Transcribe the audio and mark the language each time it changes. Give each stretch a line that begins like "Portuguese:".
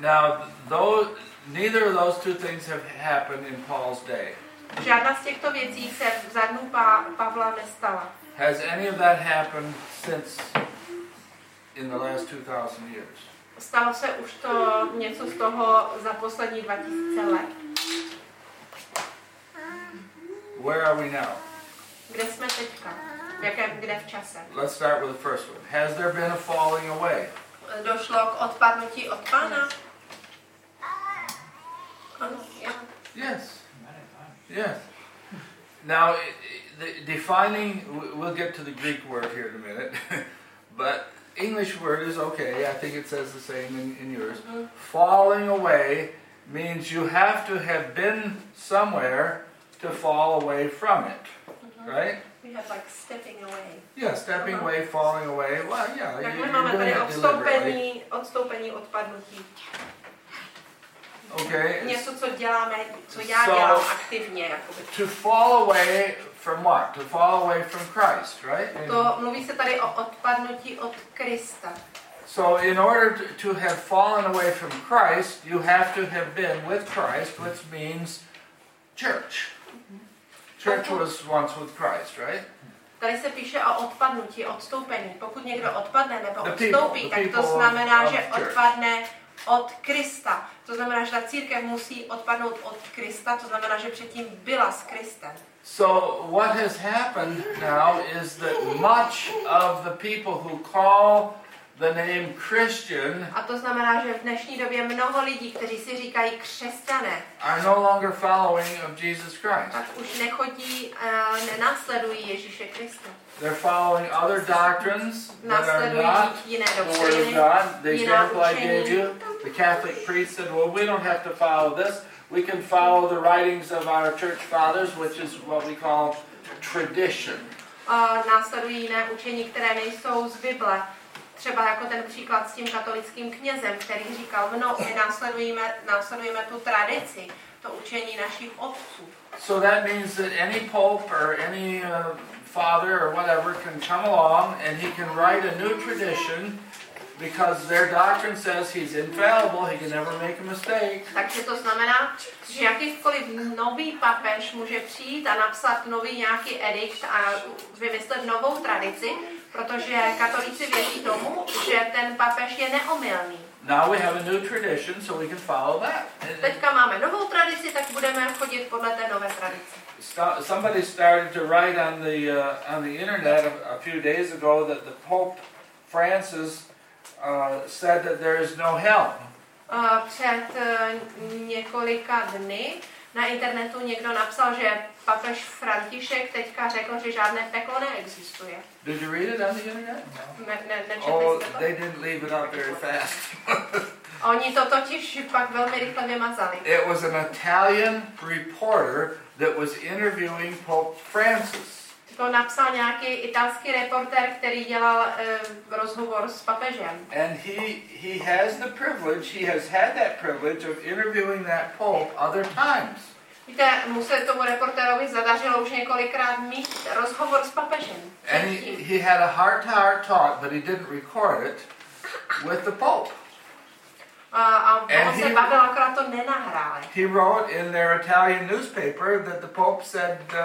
English: Now, neither of those two things have happened in Paul's day.
Czech: Žádná z těchto věcí se za dnů Pavla nestala.
English: Has any of that happened since in the last 2,000 years?
Czech: Stalo se už to něco z toho za poslední 2000 let?
English: Where are we now?
Czech: Kde jsme teďka? Kde v čase?
English: Let's start with the first one. Has there been a falling away?
Czech: Došlo k odpadnutí od Pána?
English: Yes. Yes. Now, defining, we'll get to the Greek word here in a minute, but English word is okay. I think it says the same in yours. Mm-hmm. Falling away means you have to have been somewhere to fall away from it, mm-hmm, right? We have like stepping away. Yeah, stepping away, falling away. Well, yeah,
Czech: tak
English: you're doing it deliberately.
Czech: Tak my máme tady odstoupení, odpadnutí.
English: Okay.
Czech: Něco, co děláme, co já dělám aktivně, jakoby.
English: To fall away from what? To fall away from Christ, right?
Czech: To mluví se tady o odpadnutí od Krista.
English: So in order to have fallen away from Christ, you have to have been with Christ, which means church. Church was once with Christ, right?
Czech: Tady se píše o odpadnutí, odstoupení. Pokud někdo odpadne nebo odstoupí, tak to znamená, že odpadne od Krista. To znamená, že ta církev musí odpadnout od Krista, to znamená, že předtím byla s Kristem.
English: So what has happened now is that much of the people who call the name Christian,
Czech: a to znamená, že v dnešní době mnoho lidí, kteří si říkají křesťané,
English: are no longer following of Jesus Christ.
Czech: Tak už nechodí, nenásledují Ježíše Krista.
English: They're following other doctrines that are not
Czech: jiné doctriny,
English: the Word of God. The example I gave you, the Catholic priest said, well, we don't have to follow this. We can follow the writings of our church fathers, which is what we call tradition.
Czech: Následují jiné učení, které nejsou z Bible. Třeba jako ten příklad s tím katolickým knězem, který říkal, no, my následujeme tu tradici, to učení našich otců.
English: So that means that any pope or any father or whatever can come along and he can write a new tradition because their doctrine says he's infallible, he can never make a mistake.
Czech: Takže to znamená, že jakýkoliv nový papež může přijít a napsat nový nějaký edikt a vymyslet novou tradici, protože katolíci věří tomu, že ten papež je neomylný.
English: Now we have a new tradition, so we can follow that.
Czech: Teďka máme novou tradici, tak budeme chodit podle té nové tradice.
English: Somebody started to write on the internet a few days ago that the Pope Francis said that there is no hell.
Czech: Před několika dny na internetu někdo napsal, že papež František teďka řekl, že žádné peklo neexistuje.
English: Did you read it on the internet?
Czech: Nečetli jste to?
English: They didn't leave it out very fast.
Czech: Oni to totiž pak velmi rychle vymazali.
English: It was an Italian reporter that was interviewing Pope Francis.
Czech: To napsal nějaký italský reportér, který dělal rozhovor s papežem.
English: And he has the privilege, he has had that privilege of interviewing that pope other times.
Czech: Víte, mu se tomu reportérovi zadařilo už několikrát mít rozhovor s papežem.
English: And he had a heart-to-heart talk, but he didn't record it with the pope.
Czech: A on se bavil, akorát to nenahrál.
English: He wrote in their Italian newspaper that the pope said